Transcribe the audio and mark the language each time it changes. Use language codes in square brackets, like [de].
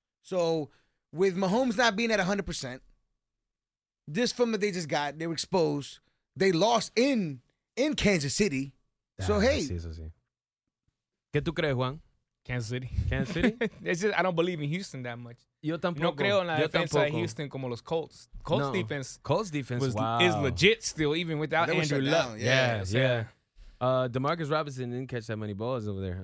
[en] So, with Mahomes not being at 100%, this film that they just got, they were exposed. They lost in Kansas City. So, hey. I see. [es] ¿Qué tú crees, Juan? Kansas City? [en] It's just, I don't believe in Houston that much. [es] Yo tampoco. No creo en la defensa de Houston como los Colts. [en] Colts defense is legit still, even without Andrew Luck. Yeah. DeMarcus Robinson didn't catch that many balls over there.